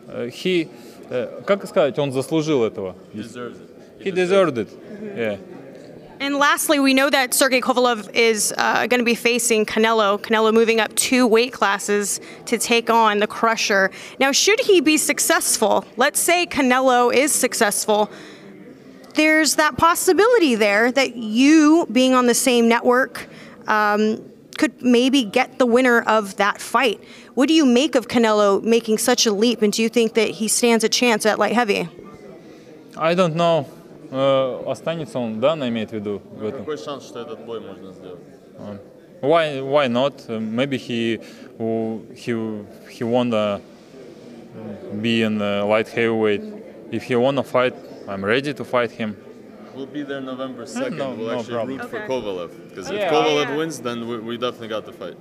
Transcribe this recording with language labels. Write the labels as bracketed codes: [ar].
[ru] He, как сказать, он заслужил этого. [en] He deserved it. Mm-hmm. Yeah. And lastly, we know that Sergey Kovalev is going to be facing Canelo. Canelo moving up two weight classes to take on the Crusher. Now, should he be successful, let's say Canelo is successful, there's that possibility there that you, being on the same network, could maybe get the winner of that fight. What do you make of Canelo making such a leap, and do you think that he stands a chance at light heavy? I don't know. [ru] Останется он, да, на имеет в виду? Какой шанс, что этот бой можно сделать? [en] Why not? Maybe he want to be in the light heavyweight. If he want to fight, I'm ready to fight him. We'll be there November 2nd. We'll actually root for Kovalev. Because if Kovalev wins, then we definitely got the fight.